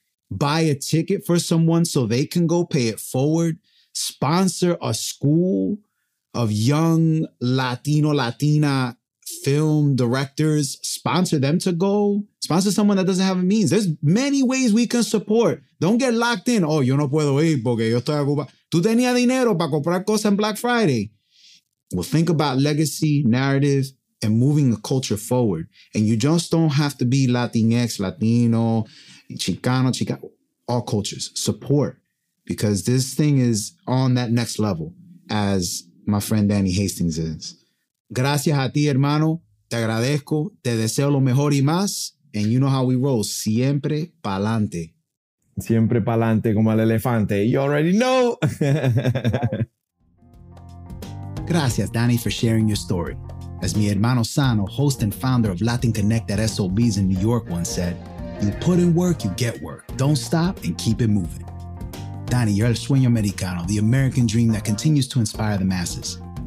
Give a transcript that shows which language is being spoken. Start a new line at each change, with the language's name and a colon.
English: Buy a ticket for someone so they can go pay it forward. Sponsor a school of young Latino, Latina film directors. Sponsor them to go. Sponsor someone that doesn't have a means. There's many ways we can support. Don't get locked in.
Spanish: Oh, yo no puedo ir porque yo estoy ocupado. Tú tenías dinero para comprar cosas en Black Friday.
English: Well, think about legacy, narrative, and moving the culture forward. And you just don't have to be Latinx, Latino, Chicano, Chicano. All cultures. Support. Because this thing is on that next level, as my friend Danny Hastings is.
Spanish: Gracias a ti, hermano. Te agradezco. Te deseo lo mejor y más.
English: And you know how we roll.
Spanish: Siempre pa'lante. Siempre pa'lante como el elefante.
English: You already know. Gracias, Danny, for sharing your story. As mi hermano Sano, host and founder of Latin Connect at SOBs in New York, once said, you put in work, you get work. Don't stop and keep it moving. Danny, you're
Spanish: el sueño americano,
English: the American dream that continues to inspire the masses.